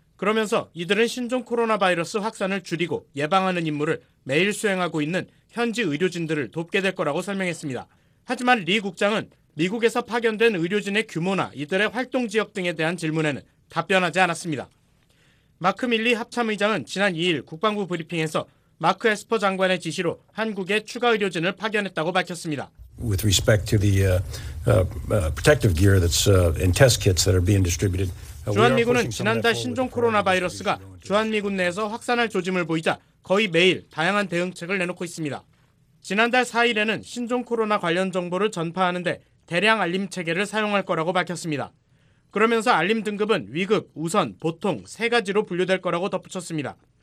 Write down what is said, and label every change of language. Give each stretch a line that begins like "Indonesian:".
Korean: 그러면서 이들은 신종 코로나 바이러스 확산을 줄이고 예방하는 임무를 매일 수행하고 있는 현지 의료진들을 돕게 될 거라고 설명했습니다. 하지만 리 국장은 미국에서 파견된 의료진의 규모나 이들의 활동 지역 등에 대한 질문에는 답변하지 않았습니다. 마크 밀리 합참의장은 지난 2일 국방부 브리핑에서 마크 에스퍼 장관의 지시로 한국에 추가 의료진을 파견했다고 밝혔습니다.
English: With respect to the protective gear that's in test kits that are being distributed.
Korean: 주한미군은 지난달 신종 코로나 바이러스가 주한미군 내에서 확산할 조짐을 보이자 거의 매일 다양한 대응책을 내놓고 있습니다. 지난달 4일에는 신종 코로나 관련 정보를 전파하는데 대량 알림 체계를 사용할 거라고 밝혔습니다. 그러면서 알림 등급은 위급, 우선, 보통 세 가지로 분류될 거라고 덧붙였습니다.